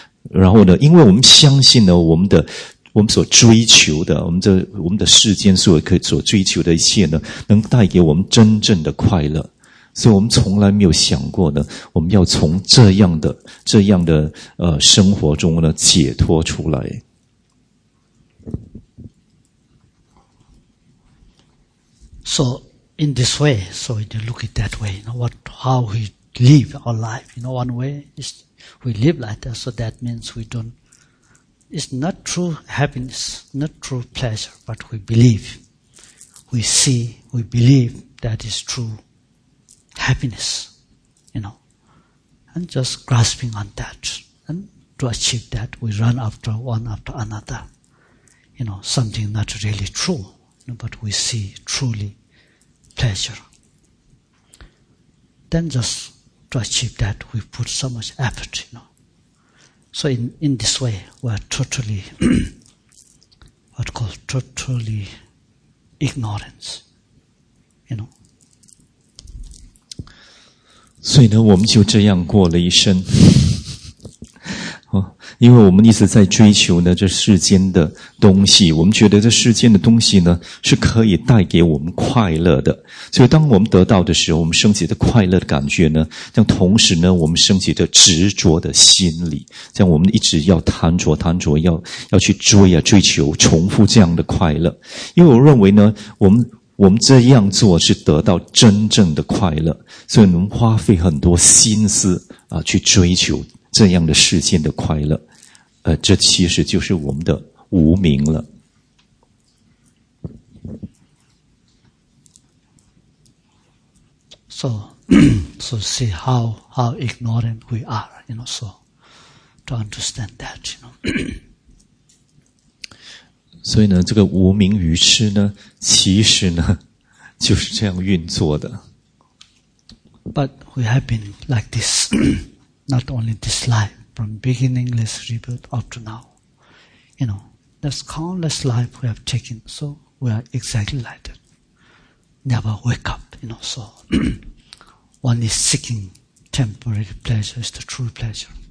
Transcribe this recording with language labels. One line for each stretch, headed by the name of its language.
Chinese: 然后呢，因为我们相信呢，我们所追求的，我们的世间所追求的一切呢，能带给我们真正的快乐。所以我们从来没有想过呢，我们要从这样的生活中呢解脱出来。
English: So in this way, so we look at that way. You know what? How we live our life? You know, one way is we live like that. So that means we don't. It's not true happiness, not true pleasure, but we believe, we see, we believe that is true happiness. You know, and just grasping on that, and to achieve that, we run after one after another. You know, something not really true, you know, but we see truly. Pleasure. Then just to achieve that, we put so much effort, you know. So in this way, we're totally, what called totally ignorance, you know.
Chinese: 所以呢，我们就这样过了一生。因为我们一直在追求呢这世间的东西，我们觉得这世间的东西呢是可以带给我们快乐的，所以当我们得到的时候，我们升起的快乐的感觉呢，但同时呢我们升起的执着的心理，这样我们一直要贪着要去追啊，追求重复这样的快乐。因为我认为呢，我们这样做是得到真正的快乐，所以我们花费很多心思啊去追求这样的世间的快乐，这其实就是我们的无明了。
English: So see how ignorant we are, you know. So to understand that, you know.
Chinese: 所以呢，这个无明愚痴呢，其实呢，就是这样运作的。
English: But we have been like this. Not only this life, from beginningless rebirth up to now. You know, there's countless life we have taken, so we are exactly like that. Never wake up, you know, so one is seeking temporary pleasure, it's the true pleasure.